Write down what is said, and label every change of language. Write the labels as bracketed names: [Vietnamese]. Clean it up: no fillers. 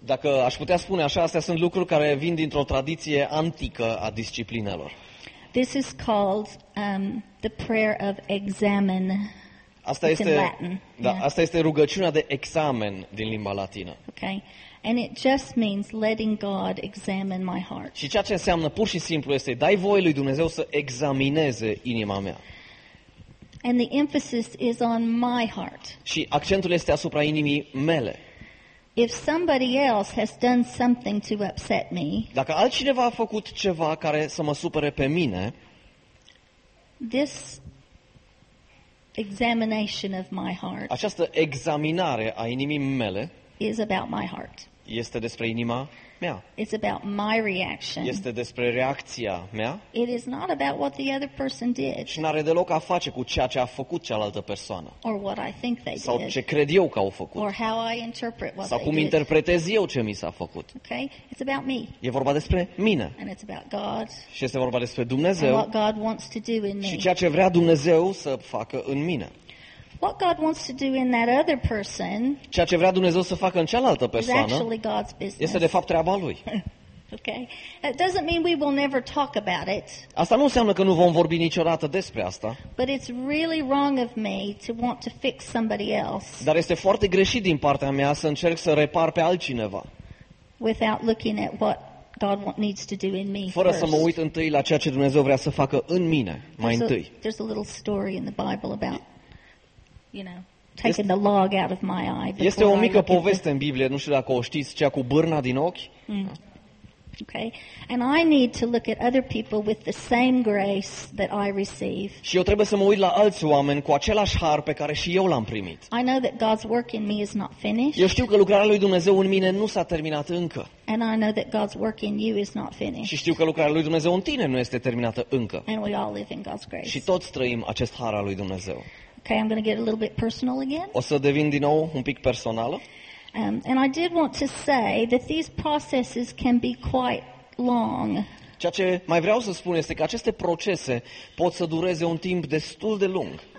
[Romanian] Dacă aș putea spune așa, astea sunt lucruri care vin dintr-o tradiție antică a disciplinelor. [English] This is called the prayer of examen. [Romanian] Asta este, da, yeah. Asta este rugăciunea de examen din limba latină. [English] Okay. And it just means letting God examine my heart. [Romanian] Și ceea ce înseamnă pur și simplu este dai voie lui Dumnezeu să examineze inima mea. [English] And the emphasis is on my heart. [Romanian] Și accentul este asupra inimii mele. [English] If somebody else has done something to upset me. [Romanian] Dacă altcineva a făcut ceva care să mă supere pe mine. [English] This examination of my heart. [Romanian] Această examinare a inimii mele [English] is about my heart. [Romanian] Este despre inima mea. [English] It's about my reaction. [Romanian] Este despre reacția mea. [English] It is not about what the other person did. [Romanian] Și n-are deloc a face cu ceea ce a făcut cealaltă persoană. [English] Or what I think they [Romanian] sau [English] did. [Romanian] Sau ce cred eu că au făcut. [English] Or how I interpret what [Romanian] sau [English] they [Romanian] cum [English] did. [Romanian] Interpretez eu ce mi s-a făcut. [English] Okay? It's about me. [Romanian] E vorba despre mine. [English] And it's about God. [Romanian] Și este vorba despre Dumnezeu. [English] And what God wants to do in me. [Romanian] Și ceea ce vrea Dumnezeu să facă în mine. [English] What God wants to do in that other person. [Romanian] Ceea ce vrea Dumnezeu să facă în cealaltă persoană. [English] Is actually God's business. [Romanian] Este de fapt treaba lui. [English] Okay. It doesn't mean we will never talk about it. [Romanian] Asta nu înseamnă că nu vom vorbi niciodată despre asta. [English] But it's really wrong of me to want to fix somebody else. [Romanian] Dar este foarte greșit din partea mea să încerc să repar pe altcineva. [English] Without looking at what God needs to do in me. [Romanian] Fără să mă uit întâi la ceea ce Dumnezeu vrea să facă în mine, mai întâi. [English] There's a little story in the Bible about taking the log out of my eye. [Romanian] Este o mică poveste în Biblie, nu știu dacă o știți, cea cu bârna din ochi. [English] Okay. And I need to look at other people with the same grace that I receive. [Romanian] Și eu trebuie să mă uit la alți oameni cu același har pe care și eu l-am primit. [English] I know that God's work in me is not finished. [Romanian] Eu știu că lucrarea lui Dumnezeu în mine nu s-a terminat încă. [English] And I know that God's work in you is not finished. [Romanian] Și știu că lucrarea lui Dumnezeu în tine nu este terminată încă. [English] And we all live in God's grace. [Romanian] Și toți trăim acest har al lui Dumnezeu. [English] Okay, I'm going to get a little bit personal again. [Romanian] O să devin din nou un pic personală. [English] And I did want to say that these processes can be quite long. [Romanian] Ceea ce mai vreau să spun este că aceste procese pot să dureze un timp destul de lung.